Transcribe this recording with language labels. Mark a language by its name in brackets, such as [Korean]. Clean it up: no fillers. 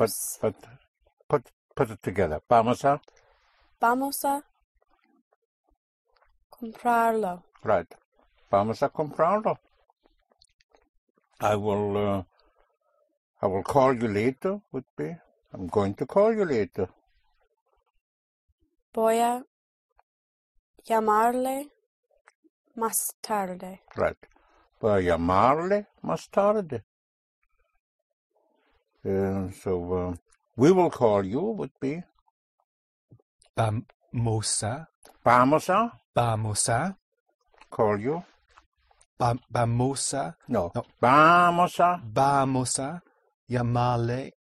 [English] Yes, but put it together. [Spanish] Vamos a. Vamos a. Comprarlo. Right. Vamos a comprarlo. [English] I will call you later, would be. I'm going to call you later. [Spanish] Voy a llamarle más tarde. [English] Right. [Spanish] Voy a llamarle más tarde. [English] We will call you, would be. [Spanish] Vamos a. Vamos a. Vamos a. [English] Call you. [Spanish] Vamos a. No. No. Vamos a. Vamos a. Llamarle.